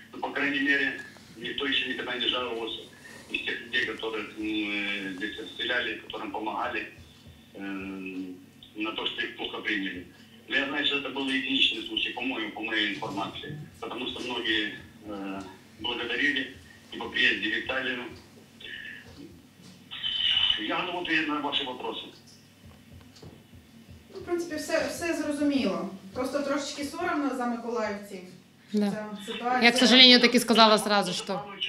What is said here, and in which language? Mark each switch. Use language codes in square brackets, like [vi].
[ru] Но, по крайней мере, никто еще никогда не жаловался из тех людей, которых здесь отстреляли, которым помогали, на то, что их плохо приняли. Но я знаю, что это был единичный случай, по моей информации, потому что многие благодарили и по приезде Виталию. [uk] я не буду на ваші вопросы. В принципі, все зрозуміло. Просто трошечки соромно за миколаївців. [ru] Да. Я, к сожалению, так и сказала сразу, что...